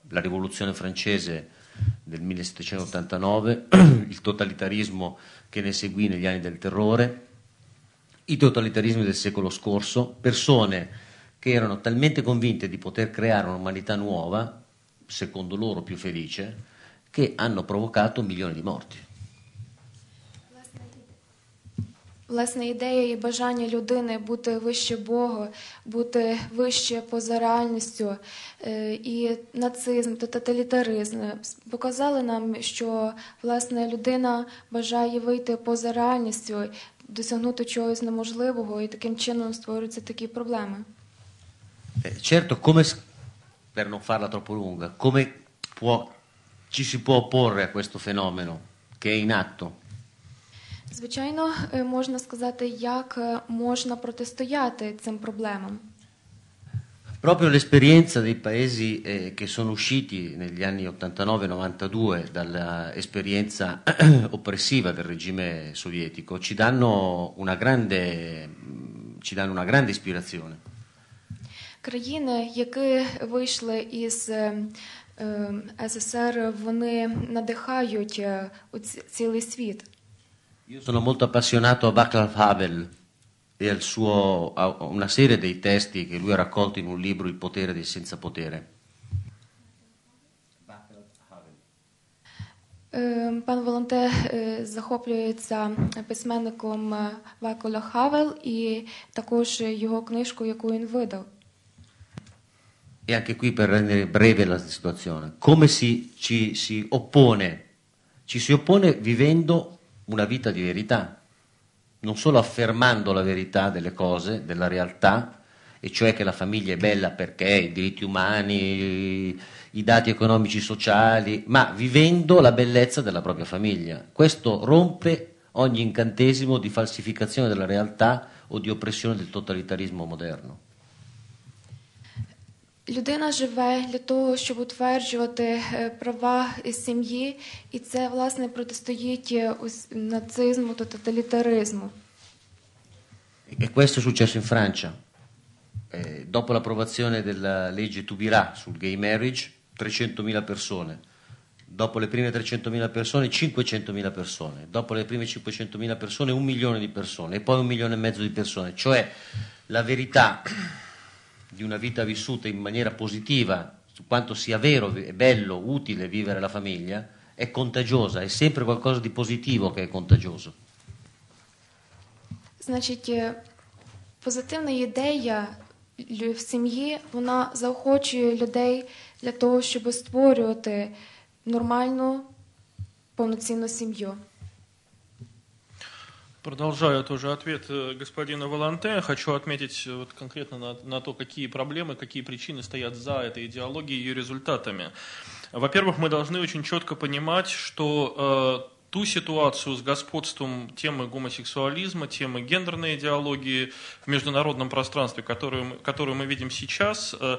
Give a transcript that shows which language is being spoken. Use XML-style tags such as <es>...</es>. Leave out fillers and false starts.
<it>La rivoluzione francese del 1789, il totalitarismo che ne seguì negli anni del terrore, i totalitarismi del secolo scorso, persone che erano talmente convinte di poter creare un'umanità nuova, secondo loro più felice, che hanno provocato milioni di morti.</it> <uk>Власне, ідея і бажання людини бути вище Бога, бути вище поза реальністю, і нацизм, тоталітаризм показали нам, що власне людина бажає вийти поза реальністю, досягнути чогось неможливого, і таким чином створюються такі проблеми.</uk> <it>Certo, come per non farla troppo lunga, come può ci si può opporre a questo fenomeno che è in atto?</it> <uk>Звичайно, можна сказати, як можна протистояти цим проблемам.</uk> <it>Proprio l'esperienza dei paesi che sono usciti negli anni 89-92 dall'esperienza oppressiva del regime sovietico ci danno una grande ispirazione.</it> <uk>Країни, які вийшли із СССР, вони надихають цілий світ.</uk> <it>Io sono molto appassionato a Václav Havel. e al suo, a una serie dei testi che lui ha raccolto in un libro, Il potere del senza potere.</it> <uk>Пан Волонте захоплюється письменником Вакуля Хавел і також його книжку, яку він видав.</uk> <it>E anche qui per rendere breve la situazione. Come si oppone? Ci si oppone vivendo una vita di verità, non solo affermando la verità delle cose, della realtà, e cioè che la famiglia è bella perché i diritti umani, i dati economici sociali, ma vivendo la bellezza della propria famiglia. Questo rompe ogni incantesimo di falsificazione della realtà o di oppressione del totalitarismo moderno.</it> <uk>Людина живе для того, щоб утверджувати права сім'ї, і це, власне, протистоїть нацизму та тоталітаризму.</uk> <it>E questo è successo in Francia. Dopo l'approvazione della legge Tubira sul gay marriage, 300.000 persone. Dopo le prime 300.000 persone, 500.000 persone. Dopo le prime 500.000 persone, 1 milione di persone. E poi 1,5 milioni di persone. Cioè, la verità di una vita vissuta in maniera positiva, su quanto sia vero e bello, utile vivere la famiglia, è contagiosa, è sempre qualcosa di positivo che è contagioso.</it> <uk>Значить, позитивна ідея в сім'ї, вона заохочує людей для того, щоб створювати нормальну, повноцінну сім'ю.</uk> <ru>Продолжая тоже ответ господина Волонте, хочу отметить вот конкретно на то, какие проблемы, какие причины стоят за этой идеологией и ее результатами. Во-первых, мы должны очень четко понимать, что ту ситуацию с господством темы гомосексуализма, темы гендерной идеологии в международном пространстве, которую мы видим сейчас,</ru>